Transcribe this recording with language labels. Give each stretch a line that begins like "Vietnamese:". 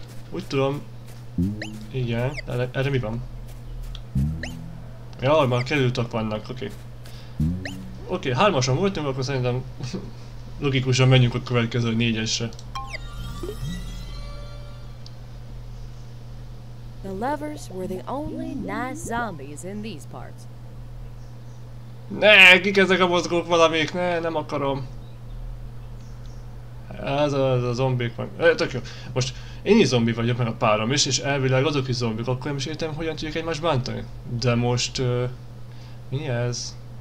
Hungarian: Úgy tudom... Igen, erre mi van? Ja, már kerültek vannak, oké. Okay. Oké, okay, hármason voltunk, akkor szerintem logikusan menjünk a következő négyesre.
English: The lovers were the only nice zombies in these parts.
Hungarian: Ne, kik ezek a mozgók valamik? Ne, nem akarom. Ez a zombik van. Tök jó. Most én is zombi vagyok, meg a párom is, és elvileg azok is zombik, akkor nem is értem, hogyan tudjuk egymást bántani. De most... mi ez?